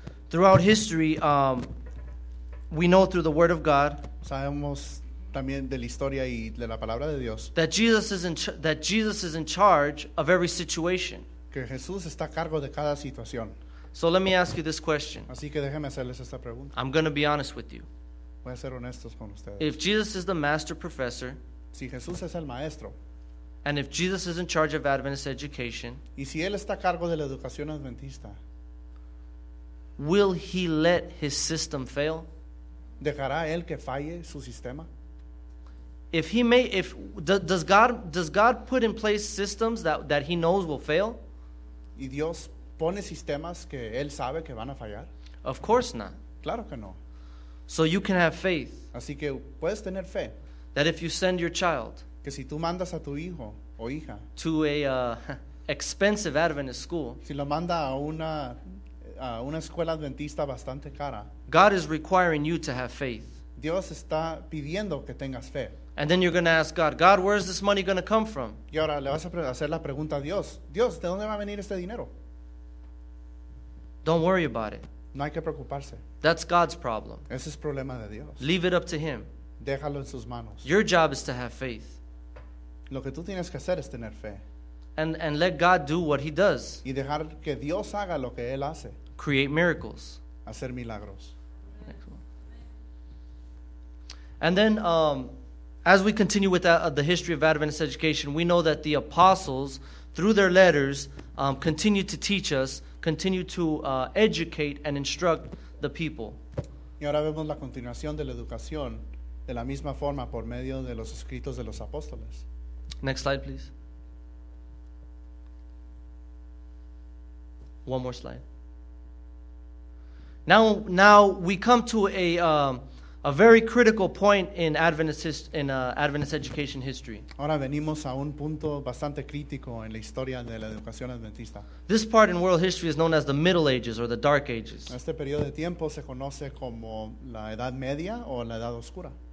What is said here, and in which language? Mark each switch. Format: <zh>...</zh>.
<en>Throughout history, we know through the word of God.</en> <es>Sabemos también de la historia y de la palabra de Dios.</es> <en>That Jesus is in charge of every situation.</en> <es>Que Jesús está a cargo de cada situación.</es> <en>So let me ask you this question.</en> <es>Así que déjeme hacerles esta pregunta.</es> <en>I'm going to be honest with you.</en> <es>Voy a ser honestos con ustedes.</es> <en>If Jesus is the master professor,</en> <es>si Jesús es el maestro,</es> <en>and if Jesus is in charge of Adventist education,</en> <es>y si él está a cargo de la educación adventista,</es> <en>will he let his system fail?</en> <es>¿Dejará él que falle su sistema?</es> <en>Does God put in place systems that he knows will fail?</en> <es>¿Y Dios pone sistemas que él sabe que van a fallar?</es> <en>Of course not.</en> <es>Claro que no.</es> <en>So you can have faith.</en> <es>Así que puedes tener fe.</es> <en>That if you send your child</en> <es>que si tú mandas a tu hijo o hija</es> <en>to a expensive Adventist school,</en> <es>si lo manda a una escuela adventista bastante cara,</es> <en>God is requiring you to have faith.</en> <es>Dios está pidiendo que tengas fe.</es> <en>And then you're going to ask God, where is this money going to come from?</en> <es>Y ahora le vas a hacer la pregunta a Dios. Dios, ¿de dónde va a venir este dinero?</es> <en>Don't worry about it.</en> <es>No hay que preocuparse.</es> <en>That's God's problem.</en> <es>Ese es problema de Dios.</es> <en>Leave it up to him.</en> <es>Déjalo en sus manos.</es> <en>Your job is to have faith.</en> <es>Lo que tú tienes que hacer es tener fe.</es> <en>And let God do what he does.</en> <es>Y dejar que Dios haga lo que él hace.</es> <en>Create miracles.</en> <es>Hacer milagros.</es> <en>And then, as we continue with the history of Adventist education, we know that the apostles, through their letters, continue to teach us, continue to educate and instruct the people.</en> <es>Y ahora vemos la continuación de la educación de la misma forma por medio de los escritos de los apóstoles.</es> <en>Next slide, please. One more slide. Now we come to a very critical point in Adventist education history.</en> <es>Ahora venimos a un punto bastante crítico en la historia de la educación adventista.</es> <en>This part in world history is known as the Middle Ages or the Dark Ages.</en> <es>Este periodo de tiempo se conoce como la Edad Media o la Edad Oscura.</es>